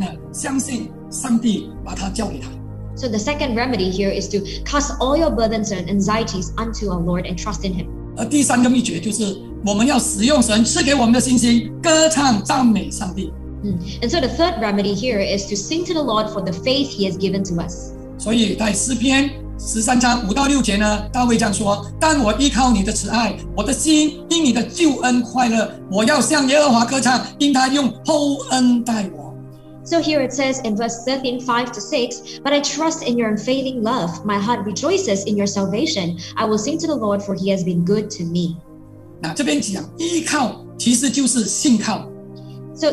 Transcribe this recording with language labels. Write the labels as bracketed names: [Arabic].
[Chinese] 所以弟兄姐妹，第二个的秘诀就是你要把你的一切的重担全然的相信上帝，把它交给他。 [English] So the second remedy here is to cast all your burdens and anxieties unto our Lord and trust in Him. [Chinese] 而第三个秘诀就是 我们要使用神赐给我们的信心，歌唱赞美上帝。 [English] And so the third remedy here is to sing to the Lord for the faith He has given to us. [Chinese] 所以在诗篇13章5到6节呢，大卫这样说：但我依靠你的慈爱，我的心因你的救恩快乐，我要向耶和华歌唱，因他用厚恩待我。 [English] So here it says in verse 13:5-6, but I trust in your unfailing love. My heart rejoices in your salvation. I will sing to the Lord for He has been good to me. [Chinese] 那这边讲依靠，其实就是信靠。 [English] So